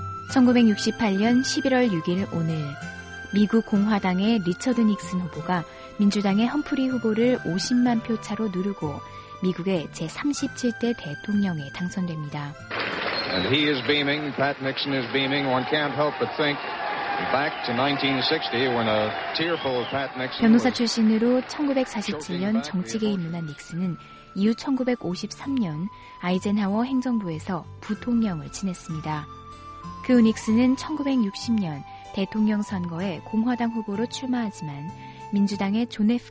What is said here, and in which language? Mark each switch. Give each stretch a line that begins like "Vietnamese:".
Korean: 1968년 11월 6일 오늘, 미국 공화당의 리처드 닉슨 후보가 민주당의 험프리 후보를 50만 표 차로 누르고 미국의 제37대 대통령에 당선됩니다.
English: And he is beaming, Pat Nixon is beaming. One can't help but think back to 1960 when a tearful Pat Nixon.
Korean: 변호사 출신으로 1947년 정치계에 입문한 닉슨은 이후 1953년 아이젠하워 행정부에서 부통령을 지냈습니다. 그 후 닉슨은 1960년 대통령 선거에 공화당 후보로 출마하지만 민주당의 존 F.